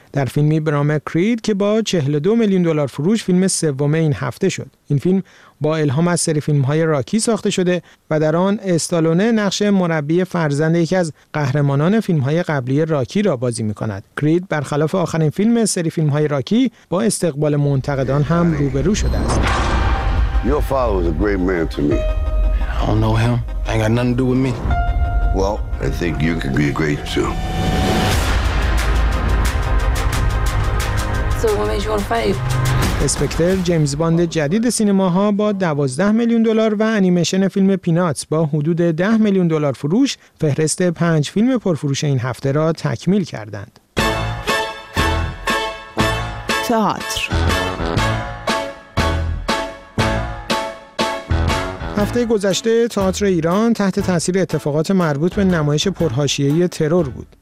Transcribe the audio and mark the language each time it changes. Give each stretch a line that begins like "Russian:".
Persian: در فیلمی به نام کرید که با 42 میلیون دلار فروش فیلم سوم این هفته شد. این فیلم با الهام از سری فیلم‌های راکی ساخته شده و در آن استالونه نقش مربی فرزند یکی از قهرمانان فیلم‌های قبلی راکی را بازی می‌کند. کرید برخلاف آخرین فیلم سری فیلم‌های راکی با استقبال منتقدان هم روبرو شده است.
English: Your father was a great man to me. I don't know him. I ain't got nothing to do with me. Well, I think you could be great too. So what made you want to fight?
Persian: اسپکتر جیمز باند جدید سینماها با 12 میلیون دلار و انیمیشن فیلم پیناتس با حدود 10 میلیون دلار فروش فهرست 5 فیلم پرفروش این هفته را تکمیل کردند. تئاتر هفته گذشته تئاتر ایران تحت تاثیر اتفاقات مربوط به نمایش پرحاشیه ترور بود.